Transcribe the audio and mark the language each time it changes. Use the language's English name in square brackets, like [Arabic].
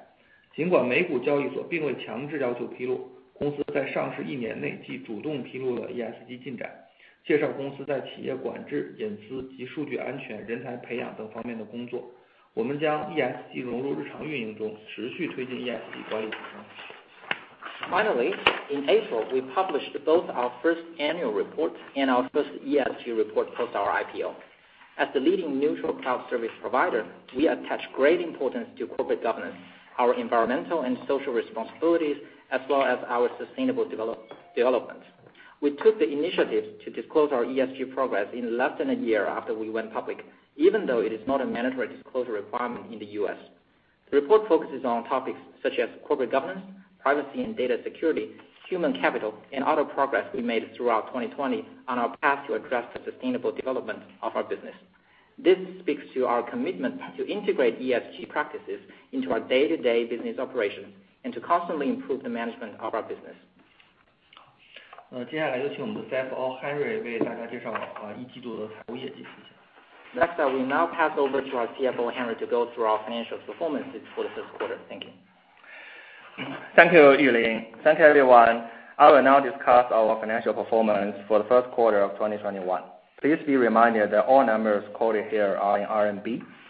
[Chinese] 最后,我们在4月发布了公司上市后的第一份年报和环境社会及管制报告。作为领先的中低云服务商,公司非常重视公司管制,承担环境和社会责任,关注可持续发展。尽管美股交易所并未强制要求披露, 公司在上市一年内即主动披露了ESG进展,介绍公司在企业管制、隐私及数据安全、人才培养等方面的工作, 我们将ESG融入日常运营中, 持续推进ESG管理。 [English] Finally, in April, we published both our first annual report and our first ESG report post our IPO. As the leading neutral cloud service provider, we attach great importance to corporate governance, our environmental and social responsibilities, as well as our sustainable development. We took the initiative to disclose our ESG progress in less than a year after we went public, even though it is not a mandatory disclosure requirement in the US. The report focuses on topics such as corporate governance, privacy and data security, human capital, and other progress we made throughout 2020 on our path to address the sustainable development of our business. This speaks to our commitment to integrate ESG practices into our day-to-day business operations and to constantly improve the management of our business. [Chinese] 接下来有请我们的CFO Henry为大家介绍一季度的财务业绩。 [English] Next, I will now pass over to our CFO Henry to go through our financial performances for the first quarter. Thank you. Thank you, Yulin. Thank you, everyone. I will now discuss our financial performance for the first quarter of 2021. Please be reminded that all numbers quoted here are in RMB.